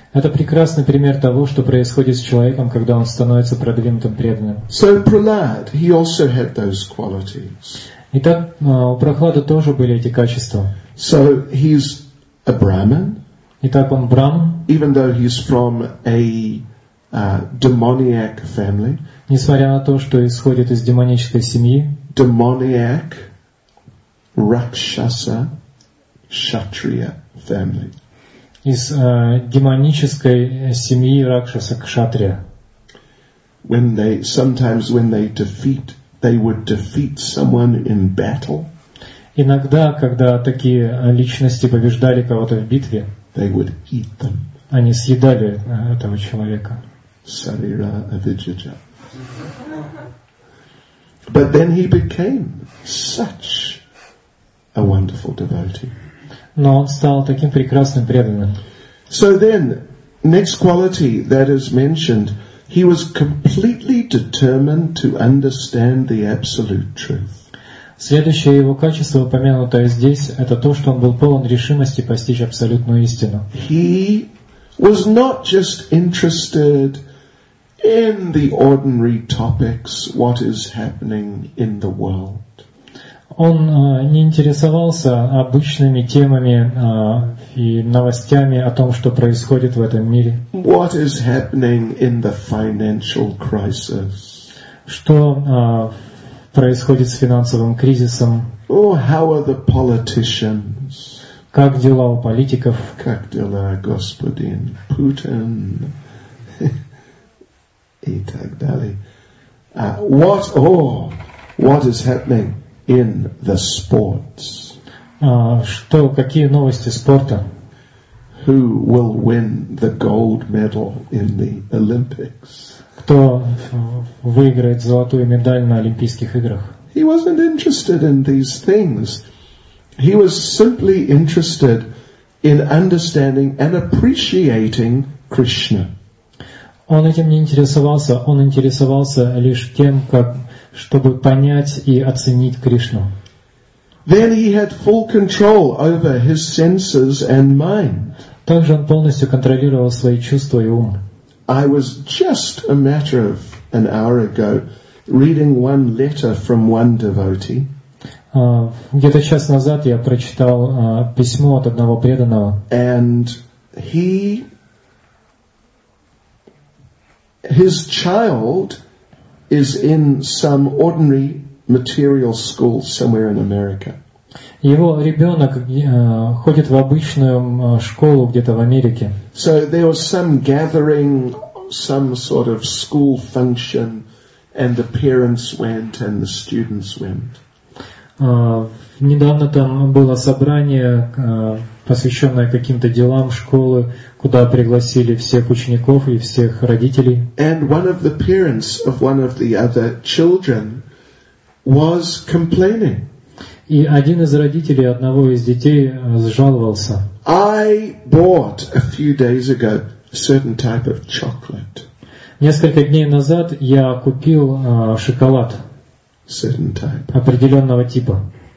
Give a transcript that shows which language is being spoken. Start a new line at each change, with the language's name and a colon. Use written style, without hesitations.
Russian: Это прекрасный пример того, что происходит с человеком, когда он становится продвинутым преданным.
English: So Prahlad, he also had those qualities.
Russian: Итак, у Прохлады тоже были эти качества.
English: So he's a Brahmin.
Russian: Итак, он Брахман.
English: Even though he's from a demoniac family.
Russian: Несмотря на то, что исходит из демонической семьи.
English: Demoniac Rakshasa Kshatriya family.
Russian: Из демонической семьи Ракшаса Кшатрия.
English: When they would defeat someone in battle.
Russian: Иногда, когда такие личности побеждали кого-то в битве,
English: they would eat them.
Russian: Они съедали этого человека. Sarira avijaja.
English: But then he became such a wonderful devotee.
Russian: Но он стал таким прекрасным преданным.
English: So then, next quality that is mentioned, he was completely determined to understand the absolute truth.
Russian: Следующее его качество, упомянутое здесь, это то, что он был полон решимости постичь абсолютную истину.
English: He was not just interested in the ordinary topics, what is happening in the world.
Russian: Он не интересовался обычными темами и новостями о том, что происходит в этом мире.
English: What is happening in the financial crisis?
Russian: Что происходит с финансовым кризисом?
English: Oh, how are the politicians?
Russian: Как дела у политиков? Как дела, господин Путин? И так далее.
English: What is happening in the sports?
Russian: Что, какие новости спорта?
English: Who will win the gold medal in the Olympics?
Russian: Кто выиграет золотую медаль на Олимпийских играх?
English: He wasn't interested in these things. He was simply interested in understanding and appreciating Krishna.
Russian: Он этим не интересовался, он интересовался лишь тем, как чтобы понять и оценить Кришну.
English: Then he had full control over his senses and mind.
Russian: Также он полностью контролировал свои чувства и ум.
English: I was just a matter of an hour ago reading one letter from one devotee.
Russian: Где-то час назад я прочитал письмо от одного преданного.
English: And he... His child is in some ordinary material school somewhere in America.
Russian: Его ребенок ходит в обычную школу где-то в Америке.
English: So there was some gathering, some sort of school function, and the parents went and the students went.
Russian: Недавно там было собрание, посвященное каким-то делам школы, куда пригласили всех учеников и всех родителей.
English: And one of the parents of one of the other children was complaining.
Russian: И один из родителей одного из детей жаловался.
English: I bought a few days ago a certain type of chocolate.
Russian: Несколько дней назад я купил шоколад
English: certain type.
Russian: Определенного типа.